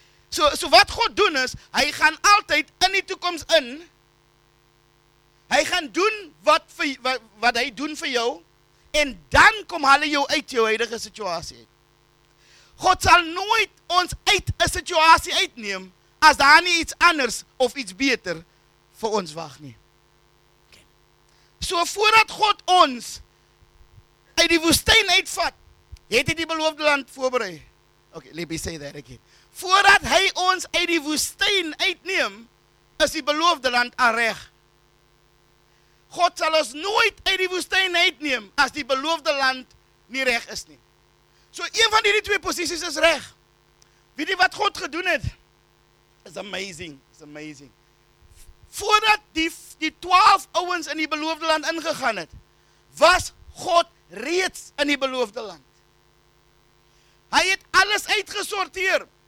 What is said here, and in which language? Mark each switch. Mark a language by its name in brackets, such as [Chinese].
[Afrikaans] So wat God doen is, hy gaan altyd in die toekoms in, hy gaan doen wat hy doen vir jou, en dan kom hulle jou uit jou huidige situasie. God sal nooit ons uit 'n situasie uitneem, as daar nie iets anders of iets beter vir ons wag nie. So voordat God ons uit die woestijn uitvat, het hy die beloofde land voorberei. [English] Okay, let me say that again. [Afrikaans] Voordat hy ons uit die woestijn uitneem, is die beloofde land al reg. God sal ons nooit uit die woestijn uitneem, as die beloofde land nie reg is nie. So een van die twee posisies is reg. Weet jy wat God gedoen het? [English] It's amazing. [Afrikaans] Voordat die 12 ouens in die beloofde land ingegaan het, was God reeds in die beloofde land. Hy het alles uitgesorteer.